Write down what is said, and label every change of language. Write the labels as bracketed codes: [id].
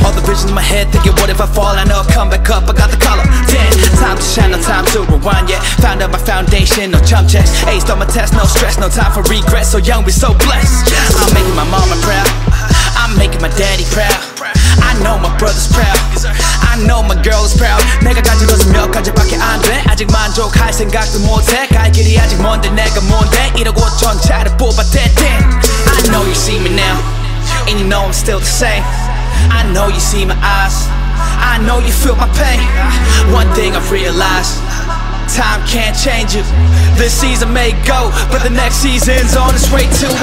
[en] All the visions in my head, thinking what if I fall? I know I'll come back up, I got the collar. Damn, time to shine, no time to rewind, yeah. Found out my foundation, no chump checks. Aced on my test, no stress, no time for regret. So young, we so blessed. I'm making my mama proud, I'm making my daddy proud. I know my brother's proud, I know my girl is proud. [ko] 내가 가진 것은 몇 가지밖에 안 돼. 아직 만족할 생각도 못해. 갈 길이 아직 먼데 내가 뭔데. 1억 5천 차를 뽑았대. [en] I know you see me now, and you know I'm still the same. I know you see my eyes, I know you feel my pain. One thing I've realized, time can't change it. This season may go, but the next season's on its way too.